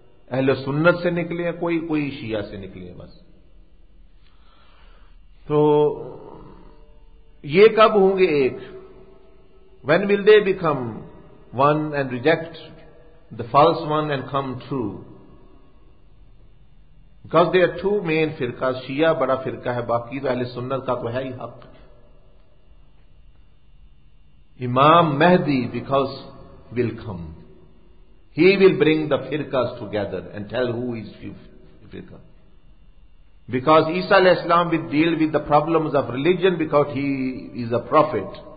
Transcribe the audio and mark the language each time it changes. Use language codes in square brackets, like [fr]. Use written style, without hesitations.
[ur] اہل سنت سے نکلے ہیں کوئی شیعہ سے نکلے ہیں بس. تو یہ کب ہوں گے ایک؟ [en] When will they become one and reject the false one and come true? Because there are two main فرقہ. [ur] شیعہ بڑا فرقہ ہے، باقی تو اہل سنت کا تو ہے ہی حق. [en] امام مہدی because will come. He will bring the firqas together and tell who is firqa. Because Isa al-Islam will deal with the problems of religion because he is a prophet.